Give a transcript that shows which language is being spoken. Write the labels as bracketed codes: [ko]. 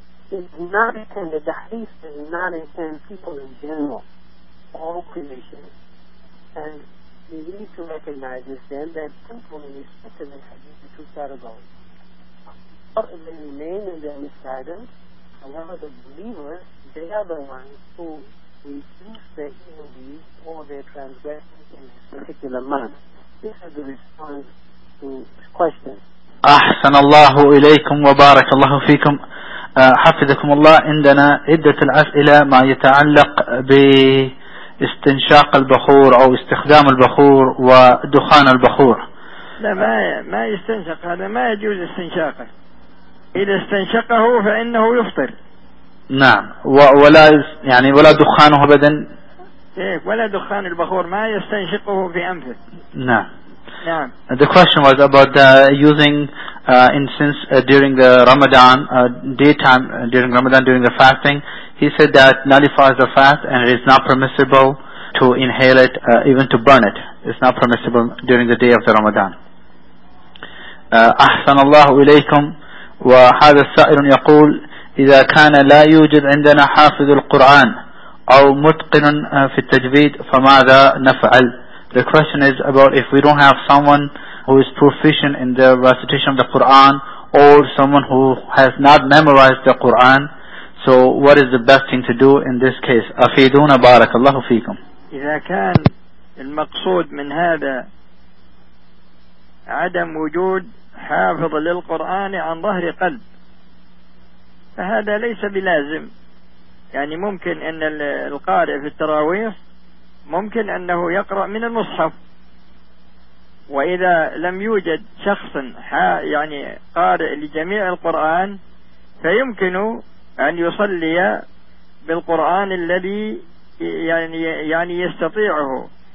[en] The hadith does not intend people in general, all creation, and we need to recognize this then, that people in respect to this hadith are two categories. But they remain in their misguidance, however, the believers, they are the ones who reduce their evil deeds or their transgressions in this particular month. This is the response to this question. [ar] أحسن الله إليكم وبارك الله فيكم. حفظكم الله. عندنا عدة الأسئلة ما يتعلق باستنشاق البخور أو استخدام البخور ودخان البخور. لا، ما يستنشق، هذا ما يجوز استنشاقه، إذا استنشقه فإنه يفطر. نعم، ولا يعني ولا دخانه أبدا. إيه، ولا دخان البخور ما يستنشقه في أنفه. نعم. [en] Yeah. The question was about using incense during the Ramadan daytime, during Ramadan, during the fasting. He said that nullifies the fast and it is not permissible to inhale it, even to burn it. It's not permissible during the day of the Ramadan. [ar] أحسن الله إليكم وهذا السائل يقول إذا كان لا يوجد عندنا حافظ القرآن أو متقن في التجويد فماذا نفعل. [en] The question is about if we don't have someone who is proficient in the recitation of the Quran or someone who has not memorized the Quran, so what is the best thing to do in this case. [ar] أفيدونا بارك الله فيكم. إذا كان المقصود من هذا عدم وجود حافظ للقرآن عن ظهر قلب فهذا ليس بلازم, يعني ممكن أن القارئ في التراويح ممكن أنه يقرأ من المصحف, وإذا لم يوجد شخص يعني قارئ لجميع القرآن فيمكن أن يصلي بالقرآن الذي يعني يستطيعه.